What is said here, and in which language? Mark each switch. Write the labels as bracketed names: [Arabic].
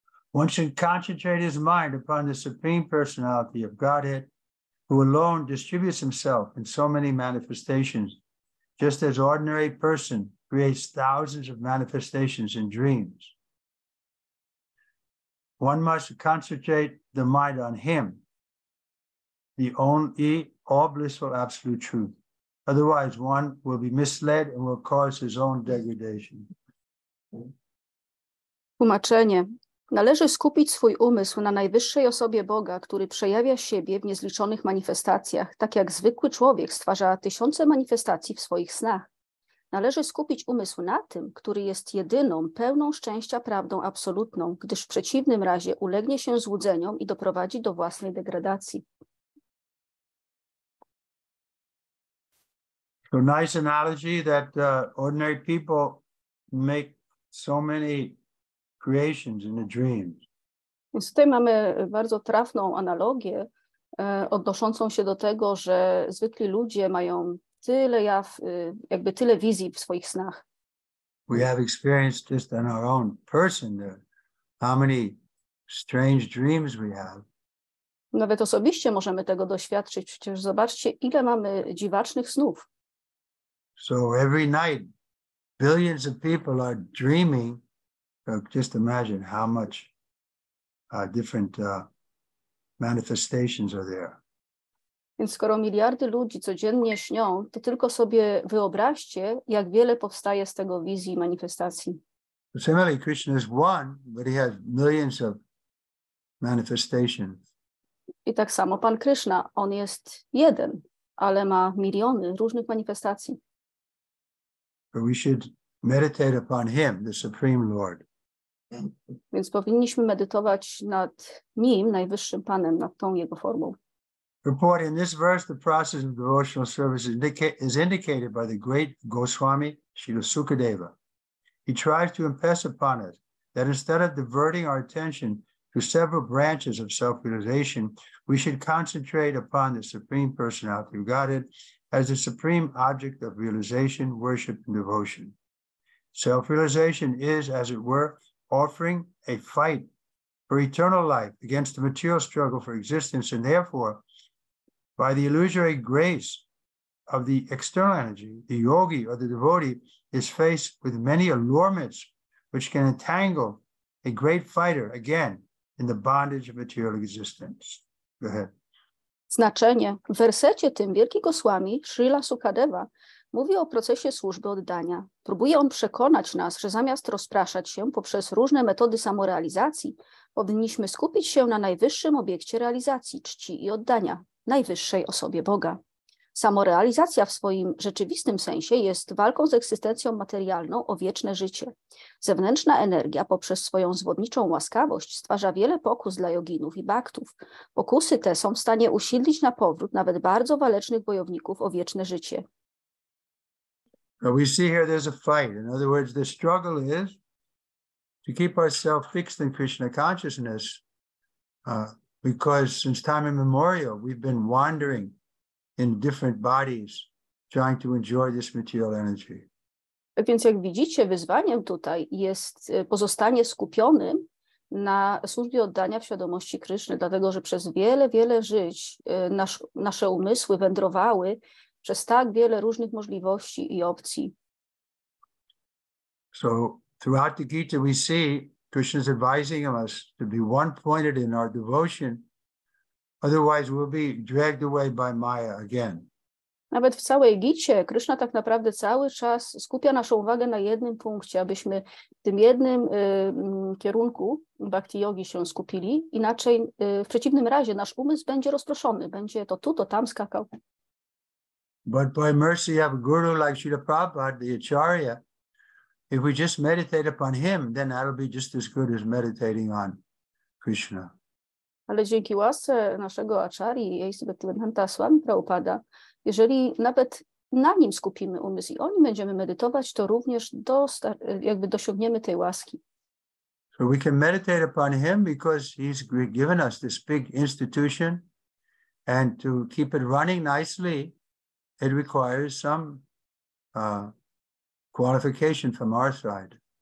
[English] One should concentrate his mind upon the Supreme Personality of Godhead, who alone distributes himself in so many manifestations, just as ordinary person creates thousands of manifestations in dreams. One must concentrate the mind on him, the only all-blissful absolute truth. Otherwise, one will be misled and will cause his own degradation. [Polish] Tłumaczenie. Należy skupić swój umysł na najwyższej osobie Boga, który przejawia siebie w niezliczonych manifestacjach, tak jak zwykły człowiek stwarza tysiące manifestacji w swoich snach. Należy skupić umysł na tym, który jest jedyną, pełną szczęścia prawdą absolutną, gdyż w przeciwnym razie ulegnie się złudzeniom i doprowadzi do własnej degradacji. [English] So nice analogy that ordinary people make so many creations in the dreams. [Polish] Więc tutaj mamy bardzo trafną analogię odnoszącą się do tego, że zwykli ludzie mają tyle tyle wizji w swoich snach. [English] We have experienced just in our own person how many strange dreams we have. [Polish] Nawet osobiście możemy tego doświadczyć. Przecież zobaczcie, ile mamy dziwacznych snów. [English] So every night, billions of people are dreaming. Just imagine how much different manifestations are there. [Polish] Więc skoro miliardy ludzi codziennie śnią, to tylko sobie wyobraźcie, jak wiele powstaje z tego wizji i manifestacji. [English] Similarly, Krishna is one, but he has millions of manifestations. [Polish] I tak samo Pan Krishna, on jest jeden, ale ma miliony różnych manifestacji. [English] We should meditate upon him, the Supreme Lord. [Polish] Więc powinniśmy medytować nad nim, najwyższym panem, nad tą jego formą. [English] Report in this verse, the process of devotional service is indicated by the great Goswami Srila Sukadeva. He tries to impress upon us that instead of diverting our attention to several branches of self-realization, we should concentrate upon the Supreme Personality of Godhead as the supreme object of realization, worship, and devotion. Self-realization is, as it were, offering a fight for eternal life against the material struggle for existence, and therefore, by the illusory grace of the external energy, the yogi or the devotee is faced with many allurements which can entangle a great fighter again in the bondage of material existence. Go ahead. [Polish] Znaczenie. W wersecie tym wielki Goswami, Srila Sukadeva, mówi o procesie służby oddania. Próbuje on przekonać nas, że zamiast rozpraszać się poprzez różne metody samorealizacji, powinniśmy skupić się na najwyższym obiekcie realizacji czci i oddania, najwyższej osobie Boga. Samorealizacja w swoim rzeczywistym sensie jest walką z egzystencją materialną o wieczne życie. Zewnętrzna energia poprzez swoją zwodniczą łaskawość stwarza wiele pokus dla joginów i baktów. Pokusy te są w stanie usilnić na powrót nawet bardzo walecznych bojowników o wieczne życie. [English] We see here there's a fight. In other words, the struggle is to keep ourselves fixed in Krishna consciousness because since time immemorial we've been wandering in different bodies trying to enjoy this material energy. [Polish] Więc jak widzicie, wyzwaniem tutaj jest pozostanie skupionym na służbie oddania w świadomości Kryszny, dlatego że przez wiele, wiele żyć nasze umysły wędrowały przez tak wiele różnych możliwości i opcji. [English] So throughout the Gita we see Krishna's advising us to be one-pointed in our devotion, otherwise we'll be dragged away by Maya again. [Polish] Nawet w całej Gicie Krishna tak naprawdę cały czas skupia naszą uwagę na jednym punkcie, abyśmy w tym jednym kierunku bhakti yogi się skupili, inaczej w przeciwnym razie nasz umysł będzie rozproszony, będzie to tu, to tam skakał. [English] But by mercy of a guru like Srila Prabhupada, the Acharya, if we just meditate upon him, then that'll be just as good as meditating on Krishna. [Polish] Ale dzięki łasce naszego Acharyi, jej Svetlananta Swami Prabhupada, jeżeli nawet na nim skupimy umysł i o nim będziemy medytować, to również dosiągniemy tej łaski. [English] So we can meditate upon him because he's given us this big institution, and to keep it running nicely, it requires some qualification from our side.